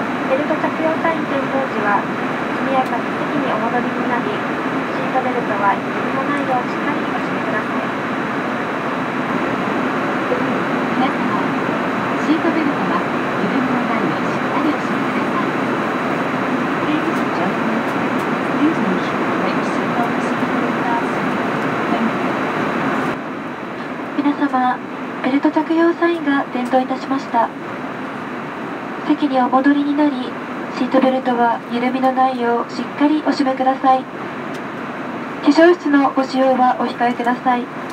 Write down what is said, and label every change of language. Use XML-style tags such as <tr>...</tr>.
<ja>ベルト着用サイン点灯時は速やかに席にお戻りになり、シートベルトは緩まないようしっかりお締めください。皆様、シートベルトは緩まないようしっかりお締めください。</ja> <en>Ladies and gentlemen, please make sure that your seatbelt is securely fastened. Thank you.</en> <ja>皆様、ベルト着用サインが点灯いたしました。席にお戻りになり、シートベルトは緩みのないようしっかりお締めください。化粧室のご使用はお控えください。</ja>